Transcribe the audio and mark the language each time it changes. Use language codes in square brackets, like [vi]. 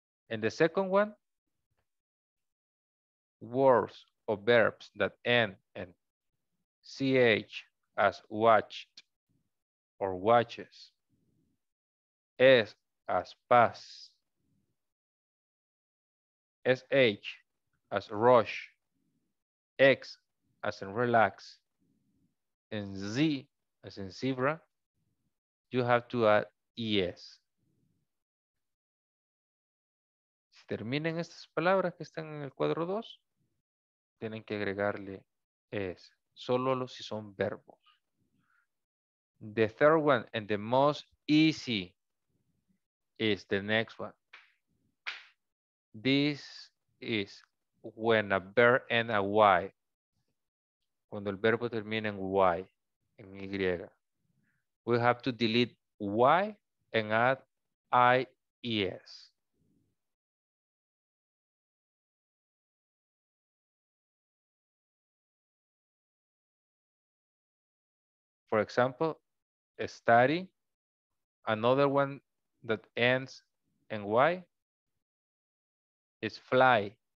[en] And the second one, words or verbs that end in ch, as watched or watches, s as pass, sh as rush, x as in relax, and z as in zebra, you have to add es. [es] Si terminan estas palabras que están en el cuadro 2, tienen que agregarle es, solo los si son verbos. [en] The third one and the most easy is the next one. This is when a verb end a Y. [es] Cuando el verbo termina en Y, en Y. [en] We have to delete Y and add IES. For example, study. Another one that ends in Y is fly.